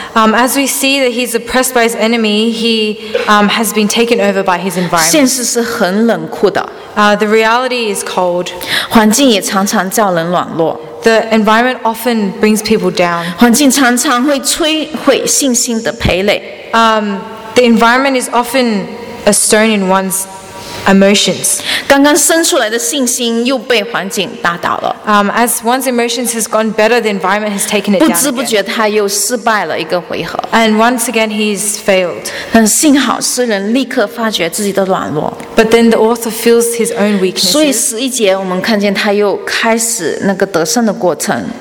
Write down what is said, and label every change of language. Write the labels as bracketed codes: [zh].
[en] As we see that he's oppressed by his enemy, he has been taken over by his environment. [zh] 现实是很冷酷的。 [en] The reality is cold. [zh] 环境也常常叫人软弱。 [en] The environment often brings people down. [zh] 环境常常会摧毁信心的傀儡。 [en] The environment is often a stone in one's emotions. [zh] 刚刚生出来的信心又被环境打倒了。 [en] As one's emotions has gone better, the environment has taken it down. [zh] 不知不觉他又失败了一个回合。 [en] And once again he's failed. [zh] 但幸好诗人立刻发觉自己的软弱。 [en] But then the author feels his own weaknesses. [zh] 所以十一节我们看见他又开始那个得胜的过程。